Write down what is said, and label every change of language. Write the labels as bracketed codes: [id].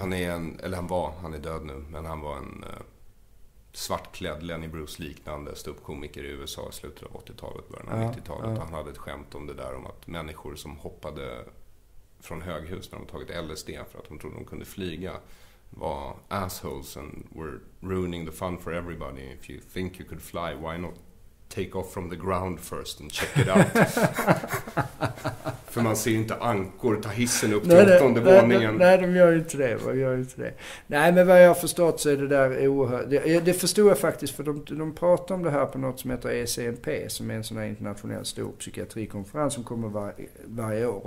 [sv] Han är död nu, men han var en svartklädd Lenny Bruce liknande ståuppkomiker i USA i slutet av 80-talet, början av 90-talet. Ja. Han hade ett skämt om det där, om att människor som hoppade från höghus när de tagit LSD för att de trodde de kunde flyga var [en] assholes and were ruining the fun for everybody. If you think you could fly, why not take off from the ground first and check it out? [sv] För man ser ju inte ankor ta hissen upp till 18:e våningen. Nej, de gör ju inte det. Nej, men vad jag har förstått så är det där oerhört... Det förstod jag faktiskt, för de pratar om det här på något som heter ECNP, som är en sån här internationell stor psykiatrikonferens som kommer varje år.